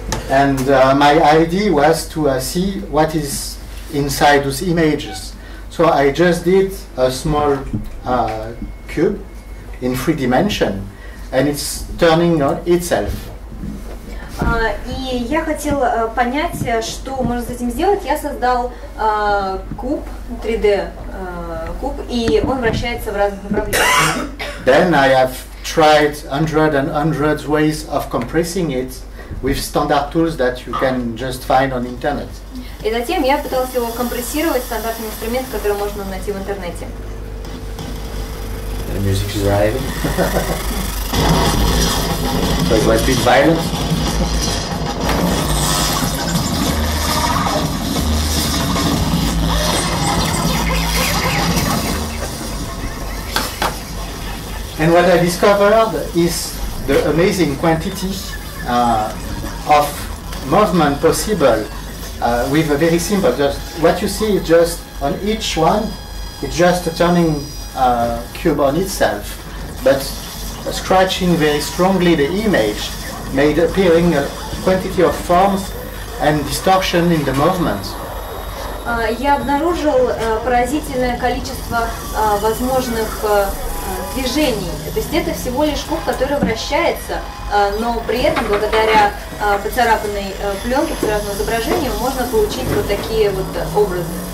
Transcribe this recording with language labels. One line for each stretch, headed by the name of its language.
English: And my idea was to see what is inside those images. So I just did a small cube in three dimension, and it's turning on itself.
Russian: И я хотел понять, что можно с этим сделать. Я создал куб, 3D куб, и он вращается в разных направлениях.
English: Then I have tried hundreds and hundreds ways of compressing it with standard tools that you can just find on internet.
Russian: И затем я пытался его компрессировать стандартным инструментом, который можно найти в интернете.
English: The music is arriving. So it was a bit violent. And what I discovered is the amazing quantity of movement possible with a very simple, just what you see is just on each one, it's just a turning cube on itself. But scratching very strongly the image, made appearing a quantity of forms and distortion in the movements.
Russian: Я обнаружил поразительное количество возможных движений. То есть это всего лишь куб, который вращается, но при этом благодаря поцарапанной пленке, поцарапанному изображению, можно получить вот такие вот образы.